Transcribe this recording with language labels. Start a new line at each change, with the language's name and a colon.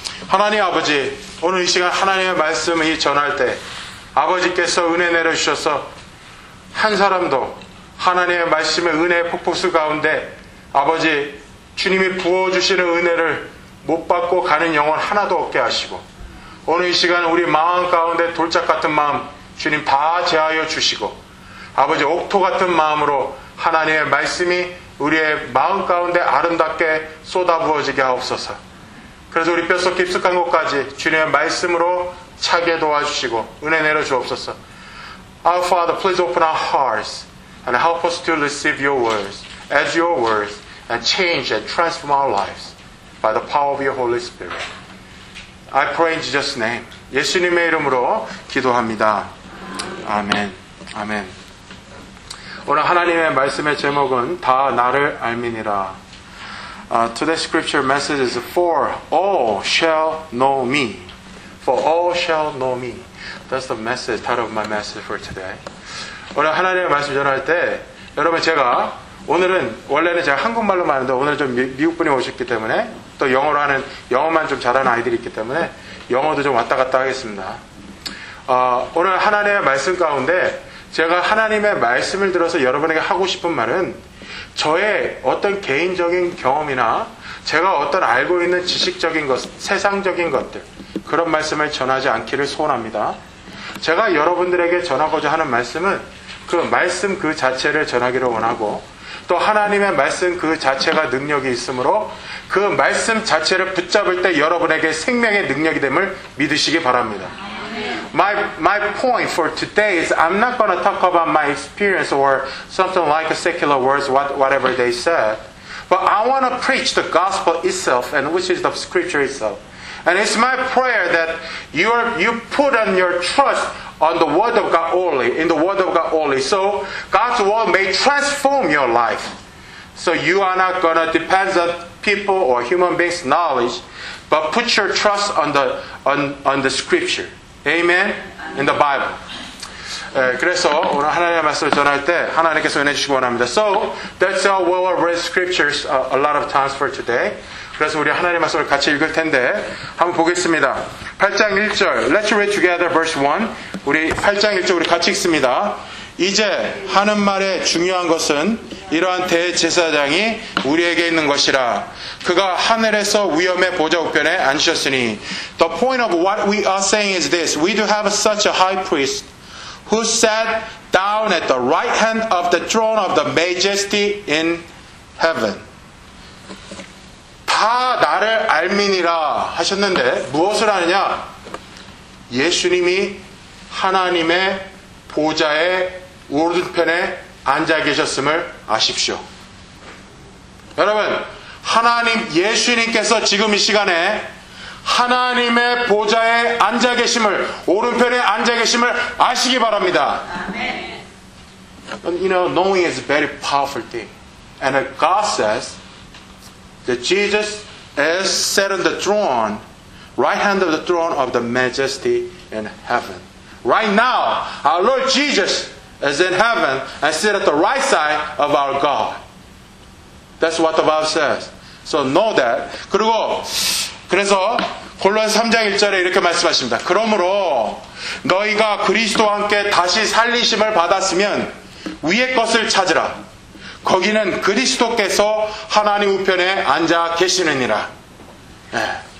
Korean: 하나님 아버지, 오늘 이 시간 하나님의 말씀을 전할 때 아버지께서 은혜 내려주셔서 한 사람도 하나님의 말씀의 은혜의 폭포수 가운데 아버지 주님이 부어주시는 은혜를 못 받고 가는 영혼 하나도 없게 하시고 오늘 이 시간 우리 마음 가운데 돌짝 같은 마음 주님 다 제하여 주시고 아버지 옥토 같은 마음으로 하나님의 말씀이 우리의 마음 가운데 아름답게 쏟아부어지게 하옵소서. 그래서 우리 뼛속 깊숙한 곳까지 주님의 말씀으로 차게 도와주시고 은혜 내려주옵소서.
English: Our Father, please open our hearts and help us to receive your words as your words and change and transform our lives by the power of your Holy Spirit. I pray in Jesus' name.
Korean: 예수님의 이름으로 기도합니다. 아멘. 아멘. 오늘 하나님의 말씀의 제목은 다 나를 알미니라.
English: Today's scripture message is For all shall know me. For all shall know me. That's the message, title of my message for today.
Korean: 오늘 하나님의 말씀 전할 때 여러분 제가 오늘은 원래는 제가 한국말로 말하는데 오늘 좀 미국분이 오셨기 때문에 또 영어로 하는 영어만 좀 잘하는 아이들이 있기 때문에 영어도 좀 왔다 갔다 하겠습니다. 오늘 하나님의 말씀 가운데 제가 하나님의 말씀을 들어서 여러분에게 하고 싶은 말은 저의 어떤 개인적인 경험이나 제가 어떤 알고 있는 지식적인 것, 세상적인 것들 그런 말씀을 전하지 않기를 소원합니다. 제가 여러분들에게 전하고자 하는 말씀은 그 말씀 그 자체를 전하기를 원하고 또 하나님의 말씀 그 자체가 능력이 있으므로 그 말씀 자체를 붙잡을 때 여러분에게 생명의 능력이 됨을 믿으시기 바랍니다.
English: My point for today is I'm not going to talk about my experience or something like a secular words, whatever they said. But I want to preach the gospel itself, and which is the scripture itself. And it's my prayer that you put on your trust on the word of God only, in the word of God only. So God's word may transform your life. So you are not going to depend on people or human beings' knowledge, but put your trust on the scripture. Amen? In the Bible.
Korean: 예, 그래서 오늘 하나님의 말씀을 전할 때 하나님께서 은혜 주시기 원합니다.
English: So, that's how we will read scriptures a lot of times for today.
Korean: 그래서 우리 하나님의 말씀을 같이 읽을 텐데 한번 보겠습니다. 8장 1절,
English: let's read together verse 1.
Korean: 우리 8장 1절 우리 같이 읽습니다. 이제 하는 말의 중요한 것은 이러한 대제사장이 우리에게 있는 것이라. 그가 하늘에서 위엄의 보좌 우편에 앉으셨으니.
English: The point of what we are saying is this. We do have such a high priest who sat down at the right hand of the throne of the majesty in heaven.
Korean: 다 나를 알미니라 하셨는데 무엇을 하느냐? 예수님이 하나님의 보좌에 오른편에 앉아 계셨음을 아십시오. 여러분, 하나님 예수님께서 지금 이 시간에 하나님의 보좌에 앉아 계심을 오른편에 앉아 계심을 아시기 바랍니다. 아멘.
English: You know, knowing is a very powerful thing. And God says that Jesus is set on the throne, right hand of the throne of the majesty in heaven. Right now, our Lord Jesus is in heaven and sit at the right side of our God. That's what the Bible says. So know that.
Korean: 그리고 그래서 골로새서 3장 1절에 이렇게 말씀하십니다. 그러므로 너희가 그리스도와 함께 다시 살리심을 받았으면 위의 것을 찾으라. 거기는 그리스도께서 하나님 우편에 앉아 계시느니라. 예.